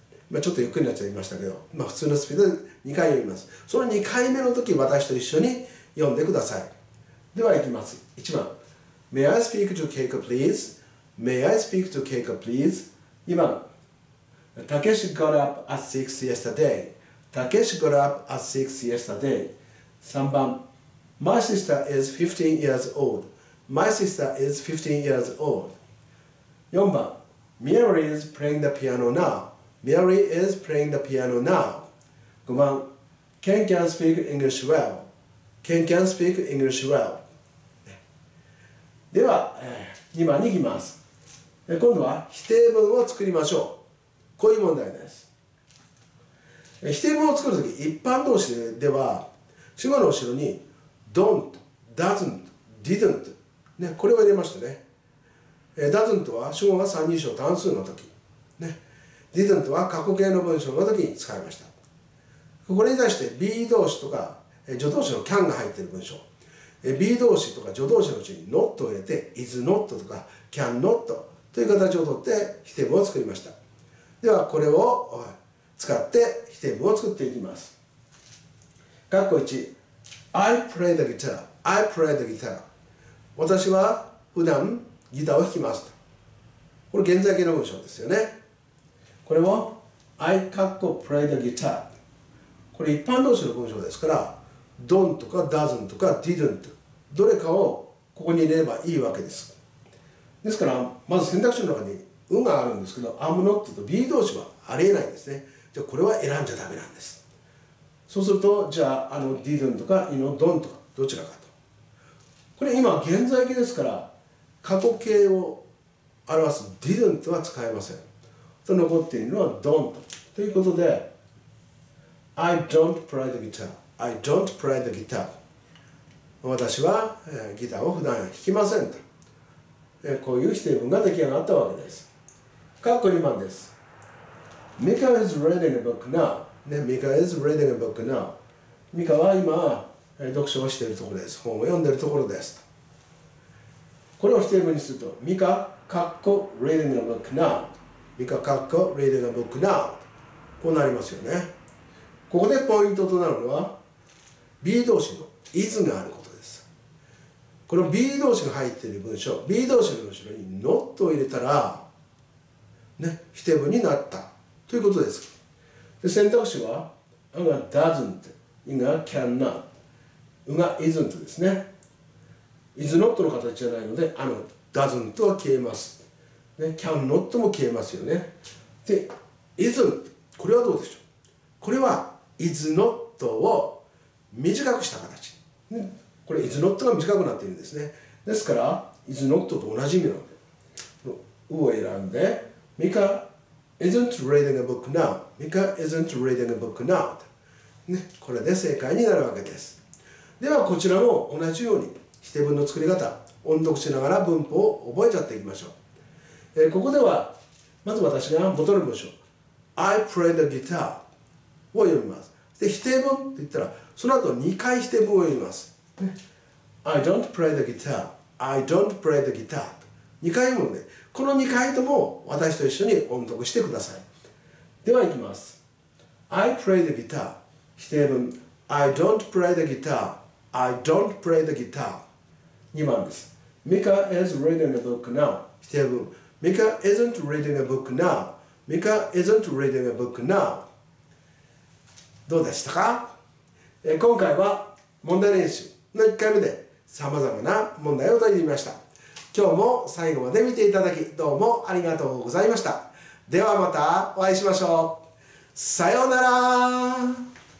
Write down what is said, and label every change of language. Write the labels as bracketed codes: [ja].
[ja] まあ、ちょっとゆっくりになっちゃいましたけど、まあ、普通のスピードで2回読みます。その2回目の時、私と一緒に読んでください。では行きます。 [en] 1番、May I speak to Keiko please? May I speak to Keiko please? 2番、Takeshi got up at 6 yesterday. Takeshi got up at 6 yesterday. 3番、My sister is 15 years old. My sister is 15 years old. 4番、Mary is playing the piano now. Mary is playing the piano now. 5番、Ken can speak English well. Ken can speak English well. [ja] では、2番に行きます。今度は否定文を作りましょう。こういう問題です。否定文を作るとき、一般動詞では、主語の後ろに don't、doesn't、didn't、ね、これを入れましたね。 doesn't は主語が三人称単数のとき、ね、didn't は過去形の文章のときに使いました。これに対して be 動詞とか、助動詞の can が入っている文章、 B 動詞とか助動詞のうちに not を入れて is not とか can not という形をとって否定文を作りました。ではこれを使って否定文を作っていきます。 [en] 括弧1 I play the guitar, I play the guitar. [ja] 私は普段ギターを弾きます。これ現在形の文章ですよね。これを I 括弧 [en] play the guitar、 [ja] これ一般動詞の文章ですから、don't とか doesn't とか didn't どれかをここに入れればいいわけです。ですからまず選択肢の中に運があるんですけど、 I'm not と be 動詞はありえないんですね。じゃあこれは選んじゃダメなんです。そうするとじゃあ、 あの didn't とか you know don't とかどちらかと、これ今現在形ですから過去形を表す didn't は使えません。と残っているのは don't ということで、 [en] I don't play the guitarI don't play the guitar. [ja] 私は、ギターを普段弾きませんと、こういう否定文が出来上がったわけです。括弧2番です。 [en] Mika is reading a book now.、ね、Mika is reading a book now. [ja] Mika は今、読書をしているところです。本を読んでいるところです。これを否定文にすると、Mika,括弧 [en] reading a book now. Mika, 括弧 reading a book now. [ja] こうなりますよね。ここでポイントとなるのは、B 動詞の is があることです。この B 動詞が入っている文章、 B 動詞の後ろに not を入れたら、ね、否定文になったということです。で選択肢は A が doesn't、 I が cannot、 U が isn't ですね。 is not の形じゃないので A の doesn't は消えます、ね、cannot も消えますよね。で isn't、 これはどうでしょう。これは is not を短くした形、これ is not が短くなっているんですね。ですから is not と同じ意味なので、この U を選んで [en] Mika isn't reading a book now, [ja] Mika isn't reading a book now、ね、これで正解になるわけです。ではこちらも同じように否定文の作り方音読しながら文法を覚えちゃっていきましょう。ここではまず私が元の文章 [en] I play the guitar [ja] を読みます。で否定文って言ったらその後2回否定文を読みます、ね、 [en] I don't play the guitar [ja] I don't play the guitar 2回読むので、この2回とも私と一緒に音読してください。ではいきます。 [en] I play the guitar 否定文 I don't play the guitar I don't play the guitar [ja] 2番です。 [en] Mika is reading a book now 否定文 Mika isn't reading a book now Mika isn't reading a book now [ja] どうでしたか。今回は問題練習の1回目でさまざまな問題を解いてみました。今日も最後まで見ていただきどうもありがとうございました。ではまたお会いしましょう。さようなら。